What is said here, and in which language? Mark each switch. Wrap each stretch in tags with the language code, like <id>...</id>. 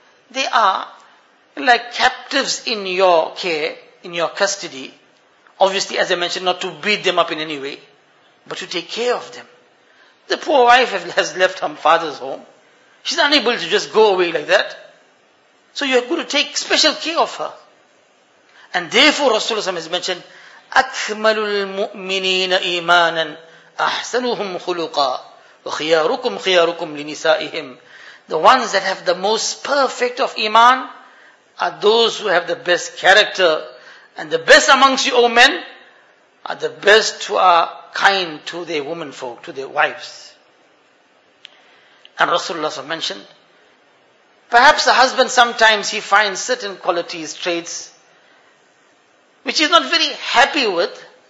<en>They are like captives in your care, in your custody. Obviously, as I mentioned, not to beat them up in any way, but to take care of them. The poor wife has left her father's home. She's unable to just go away like that. So you have got to take special care of her. And therefore, Rasulullah has mentioned,</en> <ar>أَكْمَلُ الْمُؤْمِنِينَ إِيمَانًا أَحْسَنُهُمْ خُلُقًا وَخِيَارُكُمْ خِيَارُكُمْ لِنِسَائِهِمْ.</ar> <en>The ones that have the most perfect of iman are those who have the best character. And the best amongst you, O men, are the best who are kind to their women folk, to their wives. And Rasulullah has mentioned, perhaps a husband sometimes he finds certain qualities, traits, which he's not very happy with.</en>